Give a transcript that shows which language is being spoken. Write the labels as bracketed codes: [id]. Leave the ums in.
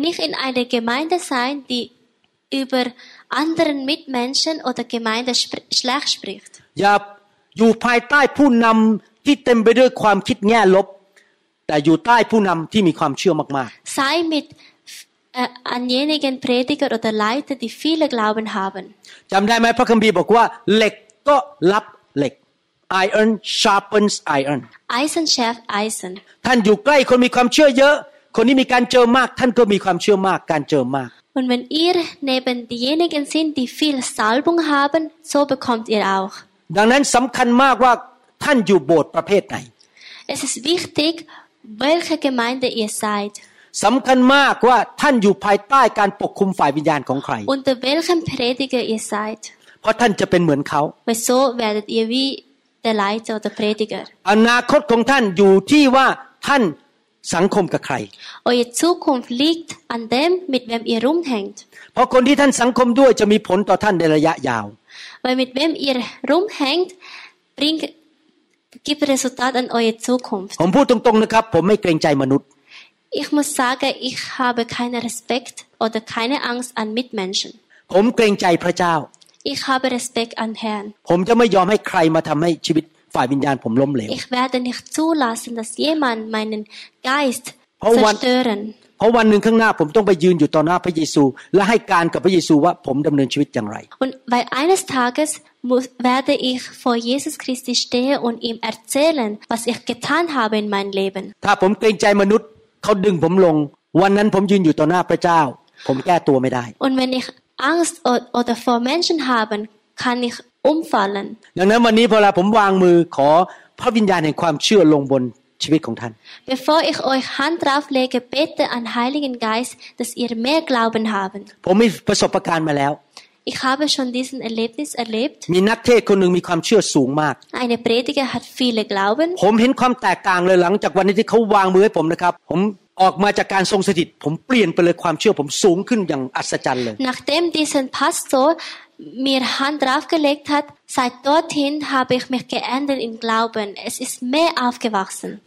[de] nicht in einer Gemeinde sein, die über anderen Mitmenschen oder Gemeinde schlecht spricht. [th] die อยู่ภายใต้ผู้นำที่เต็มไปด้วยความคิดแง่ลบแต่อยู่ใต้ผู้นำที่มีความเชื่อมาก [de] ๆ Sei mit anjenigen Prediger oder Leiter, die viele Glauben haben. [th] จำได้ไหมพระคัมภีร์บอกว่าเหล็กก็รับเหล็ก [en] Iron sharpens iron. [de] Eisen schärft Eisen. [th] ท่านอยู่ใกล้คนมีความเชื่อเยอะ คนที่มีการเจอมากท่านก็มีความเชื่อมากการเจอมาก [de] Und wenn ihr neben diejenigen sind, die viel Salbung haben, so bekommt ihr auch. [th] ดังนั้นสำคัญมากว่าท่านอยู่โบสถ์ประเภทไหน [de] Es ist wichtig, welche Gemeinde ihr seid. [th] สำคัญมากว่าท่านอยู่ภายใต้การปกคุมฝ่ายวิญญาณของใคร [de] Unter welchem Prediger ihr seid. [th] เพราะท่านจะเป็นเหมือนเขา [de] Wieso werdet ihr wie der Leiter oder Prediger? [th] อนาคตของท่านอยู่ที่ว่าท่านสังคมกับใคร [de] Euer Zukunft liegt an dem, mit wem ihr rumhängt. [th] เพราะคนที่ท่านสังคมด้วยจะมีผลต่อท่านในระยะยาว [de] Weil mit wem ihr rumhängt bringt gibt Resultat an eure Zukunft. [th] ผมพูดตรงๆนะครับผมไม่เกรงใจมนุษย์ [de] Ich muss sagen, ich habe keinen Respekt oder keine Angst an Mitmenschen. [th] ผมเกรงใจพระเจ้า [de] Ich habe Respekt an Herrn. [th] ผมจะไม่ยอมให้ใครมาทําให้ชีวิตฝ่ายวิญญาณผมล้มเหลว [de] Ich werde nicht zulassen, dass jemand meinen Geist zerstören. [th] พราะวันหนึ่งข้างหน้าผมต้องไปยืนอยู่ต่อหน้าพระเยซู และให้การกับพระเยซูว่าผมดําเนินชีวิตอย่างไร [de] weil eines Tages werde ich vor Jesus Christi stehen und ihm erzählen was ich getan habe in mein Leben [th] ถ้าผมเกรงใจมนุษย์เขาดึงผมลง วันนั้นผมยืนอยู่ต่อหน้าพระเจ้า ผมแก้ตัวไม่ได้ [de] und wenn ich Angst oder vor Menschen haben kann ich umfallen [th] ดังนั้นวันนี้พอเราผมวางมือขอพระวิญญาณแห่งความเชื่อลงบนชีวิตของท่าน [de] Bevor ich euch Hand drauf lege bitte an Heiligen Geist dass ihr mehr Glauben haben [th] ผมมีประสบการณ์มาแล้ว [de] Ich habe schon diesen Erlebnis erlebt [th] มีนักเทศคนหนึ่งมีความเชื่อสูงมาก [de] Eine Prediger hat viele Glauben [th] ผม เห็นความแตกต่างเลยหลังจากวันนที่เขาวางมือให้ผมนะครับผมออกมาจากการทรงสถิตผมเปลี่ยนไปเลยความเชื่อผมสูงขึ้นอย่างอัศจรรย์เลย [de] Nachdem diesen Pastor mir Hand draufgelegt hat, seit dorthin habe ich mich geändert im Glauben. Es ist mehr aufgewachsen.